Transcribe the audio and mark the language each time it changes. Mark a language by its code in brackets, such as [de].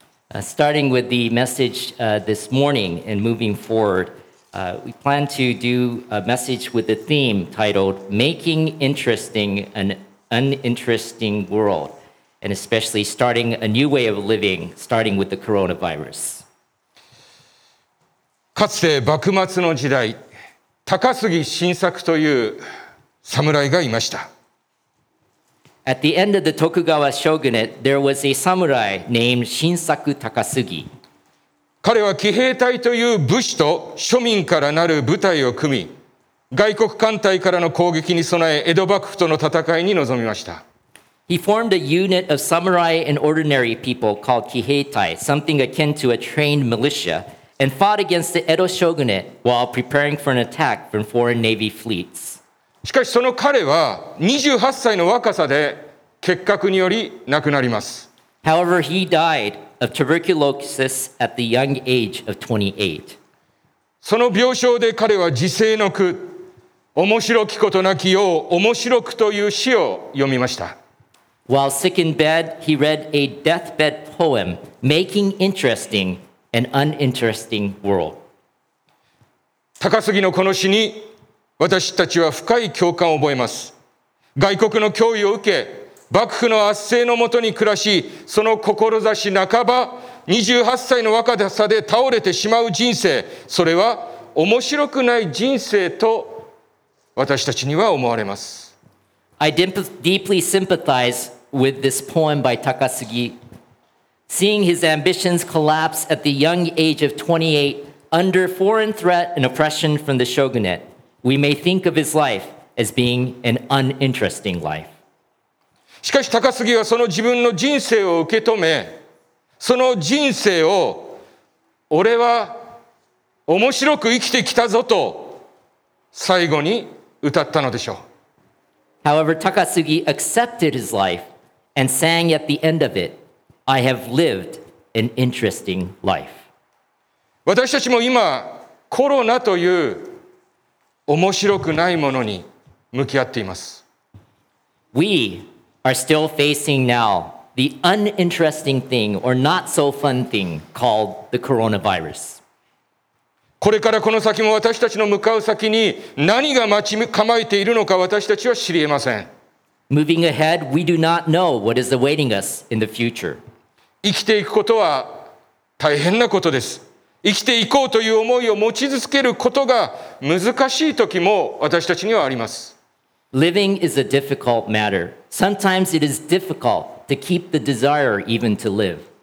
[en] Starting with the message this morning and moving forward, we plan to do a message with the theme titled Making Interesting an Uninteresting WorldAnd especially starting a new way of living, starting with the coronavirus. [ja] かつて幕末の時代、高杉晋作という侍がいました。 [en] At the end of the Tokugawa shogunate, there was a samurai named 晋作高杉。 [ja] 彼は騎兵隊という武士と庶民からなる部隊を組み、外国艦隊からの攻撃に備え、江戸幕府との戦いに臨みました。 [en] He formed a unit of samurai and ordinary people called Kiheitai, something akin to a trained militia, and fought against the Edo shogunate while preparing for an attack from foreign navy fleets. [ja] しかしその彼は28歳の若さで結核により亡くなります。 [en] However, he died of tuberculosis at the young age of 28. [ja] その病床で彼は自省の句、面白きことなきよう面白くという詩を読みました。 [en] While sick in bed, he read a deathbed poem, Making Interesting an Uninteresting World. [ja] 高杉のこの詩に私たちは深い共感を覚えます。外国の脅威を受け、幕府の圧政のもとに暮らし、その志半ば、28歳の若さで倒れてしまう人生、それは面白くない人生と私たちには思われます。 [en] I deeply sympathize with this poem by Takasugi. Seeing his ambitions collapse at the young age of 28 under foreign threat and oppression from the shogunate, we may think of his life as being an uninteresting life. [ja] しかし高杉はその自分の人生を受け止め、その人生を俺は面白く生きてきたぞと最後に歌ったのでしょう。 [en] However, Takasugi accepted his life and sang at the end of it, I have lived an interesting life. [ja] 私たちも今、コロナという面白くないものに向き合っています。 [en] We are still facing now the uninteresting thing or not so fun thing called the coronavirus. [ja] これからこの先も私たちの向かう先に何が待ち構えているのか私たちは知りえません。 [en] Moving ahead, we do not know what is awaiting us in the future. [ja] 生きていくことは大変なことです。生きていこうという思いを持ち続けることが難しい時も私たちにはあります。 [en] Living is a difficult matter. Sometimes it is difficult to keep the desire even to live.